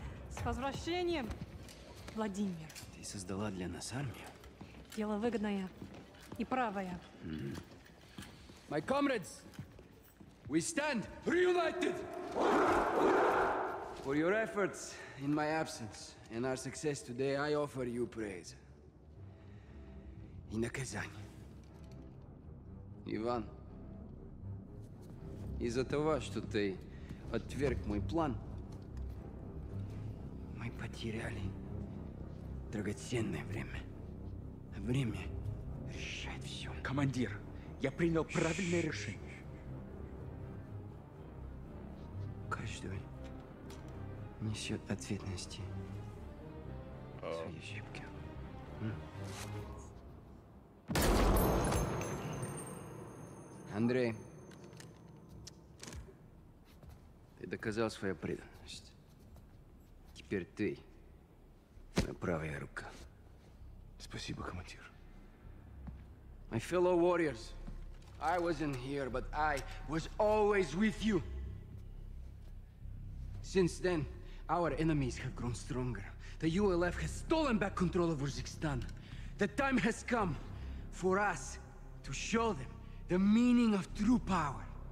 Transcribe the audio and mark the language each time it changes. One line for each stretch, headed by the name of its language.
Russian: С возвращением, Владимир. Ты создала для нас армию. Дело выгодное и правое. Mm-hmm.
English: My comrades, we stand reunited for your efforts in my absence and our success today. I offer you praise in the Kazan.
Russian: Иван, из-за того, что ты отверг мой план, мы потеряли драгоценное время. Время решает все. Командир. Я принял правильное решение. Каждый несет ответственности за свои ошибки. Андрей, ты доказал свою преданность. Теперь ты моя правая рука. Спасибо, командир.
English: My fellow warriors, I wasn't here, but I was always with you. Since then, our enemies have grown stronger. The ULF has stolen back control of Urzikstan. The time has come for us to show them the meaning of true power.